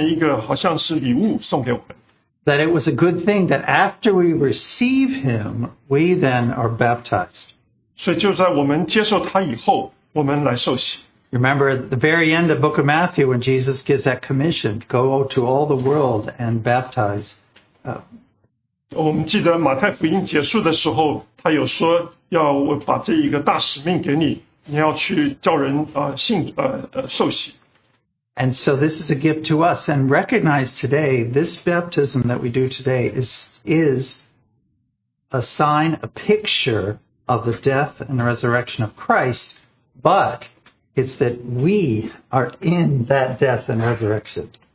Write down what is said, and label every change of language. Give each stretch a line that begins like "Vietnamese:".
Chinese: 我们在别的地方也看见,主耶稣他把这个洗礼当成一个好像是礼物送给我们。
English: That it was a good thing that after we receive him, we then are baptized.
Chinese: 所以就在我们接受他以后,我们来受洗。
English: Remember at the very end of the book of Matthew when Jesus gives that commission, go to all the world and baptize.
Chinese: 我们记得马太福音结束的时候,他有说要把这一个大使命给你,你要去叫人受洗。
English: And so this is a gift to us. And recognize today, this baptism that we do today is a sign, a picture of the death and the resurrection of Christ, but it's that we are in that death and resurrection.